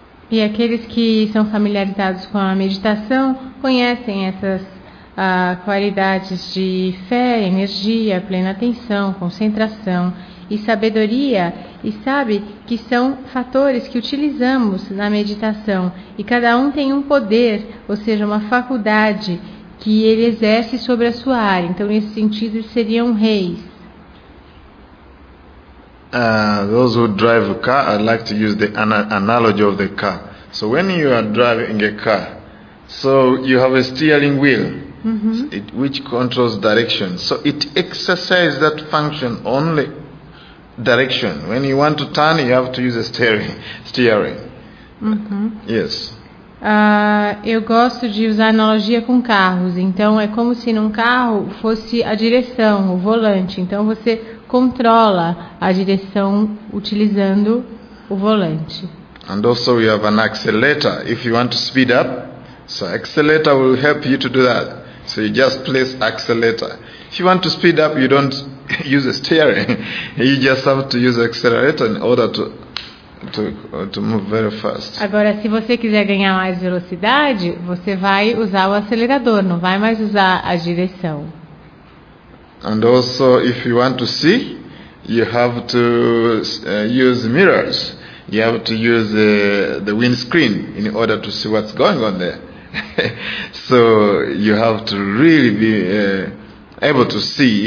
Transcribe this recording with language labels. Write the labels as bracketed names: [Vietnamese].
[Portuguese] E aqueles que são familiarizados com a meditação conhecem essas qualidades de fé, energia, plena atenção, concentração e sabedoria, e sabe que são fatores que utilizamos na meditação, e cada um tem um poder, ou seja, uma faculdade que ele exerce sobre a sua área. Então, nesse sentido, eles seriam reis. [English] Those who drive a car, I'd like to use the analogy of the car. So when you are driving a car, so you have a steering wheel, mm-hmm. which controls direction. So it exercises that function only direction. When you want to turn, you have to use a steering. Mm-hmm. Yes. [Portuguese] Eu gosto de usar analogia com carros. Então é como se num carro fosse a direção, o volante. Então você controla a direção utilizando o volante. [English] And also we have an accelerator if you want to speed up. So accelerator will help you to do that. So you just place accelerator. If you want to speed up, you don't use a steering. You just have to use accelerator in order to move very fast. [Portuguese] Agora, se você quiser ganhar mais velocidade, você vai usar o acelerador, não vai mais usar a direção. [English] And also if you want to see, you have to use mirrors. You have to use the windscreen in order to see what's going on there. So you have to really be able to see.